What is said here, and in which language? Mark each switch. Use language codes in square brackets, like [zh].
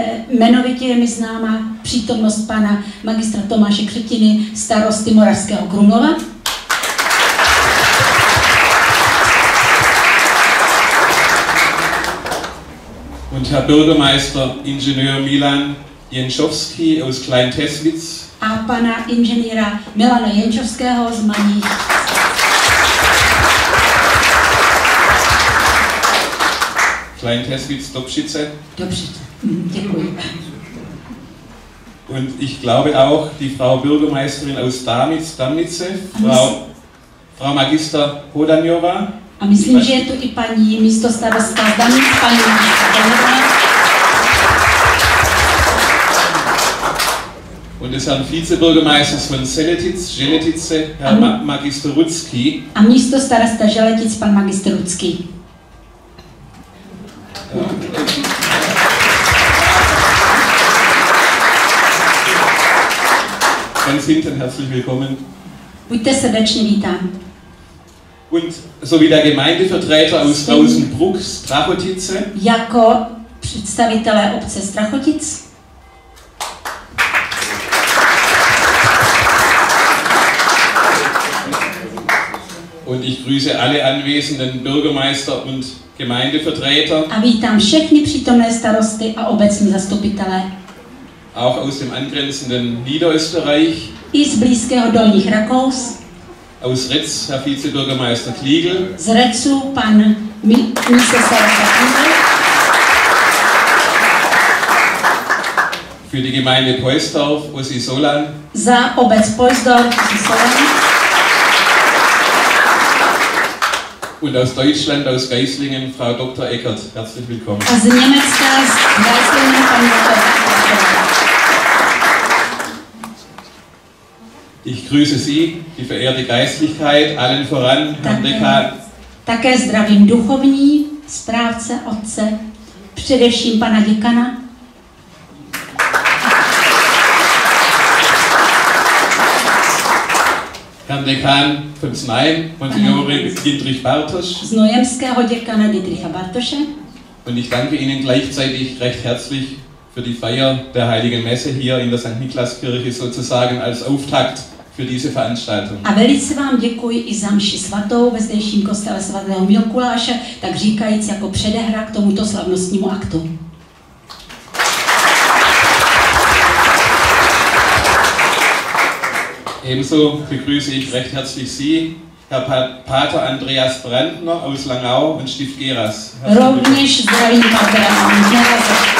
[cs] Jmenovitě je mi známa přítomnost pana magistra Tomáše Třetiny, starosty Moravského Krumlova. [de] Und Herr Bürgermeister Ingenieur Milan Jenčovský aus Klein-Teslitz. [cs] A pana inženýra Milana Jenčovského z Maních. [de] Klein-Teslitz, Dobšice. [cs] Dobšice, děkuji. [de] Und ich glaube auch die Frau Bürgermeisterin aus Damnice, Frau Magister Hodaňová. [cs] A myslím, že je to i paní místostarostka z Damnic, paní Hodaňová. [de] Und des Herrn Vizebürgermeisters von Seletice, Herr Magister Rudský. [cs] A místostarosta Želetic, pan Magister Rudský. [de] Ganz hinten herzlich willkommen. [cs] Buďte srdečně vítán. [de] Und so wie der Gemeindevertreter aus Rausenbruck, Strachotice. [cs] Jako představitelé obce Strachotic. [de] Und ich grüße alle anwesenden Bürgermeister und Gemeindevertreter. [cs] A vítám všechny přítomné starosty a obecní zastupitelé. [de] auch aus dem angrenzenden Niederösterreich. [cs] I z blízkého Dolních Rakous. [de] Aus Retz, Herr Vizebürgermeister Kliegel. [cs] Z Retzu, pan místostarosta Kliegel. [de] Für die Gemeinde Poesdorf, Ossi Solan. [cs] Za obec Poesdorf, Ossi Solan. [de] Und aus Deutschland, aus Geislingen, Frau Dr. Eckert, herzlich willkommen. Aus Niemetska, aus Geislingen, Frau Dr. Eckert. Ich grüße Sie, die verehrte Geistlichkeit, allen voran, Herrn Dekan. [cs] Také zdravím duchovní, správce, otce, především pana děkana. [de] Herrn Dekan von Znajem, Monsignore Dietrich Bartosch. [cs] Z Nojemského děkana Dietricha Bartosche. [de] Und ich danke Ihnen gleichzeitig recht herzlich für die Feier der Heiligen Messe hier in der St. Niklaskirche sozusagen als Auftakt für diese Veranstaltung. [cs] A velice vám děkuji i za mši svatou ve zdejším kostele svatého Mikuláše, tak říkajíc jako předehra k tomuto slavnostnímu aktu. [de] Ebenso begrüße ich recht herzlich Sie, Herr Pater Andreas Brandner aus Langau und Stift Geras. [cs] Rovněž zdravím Pater Andreas.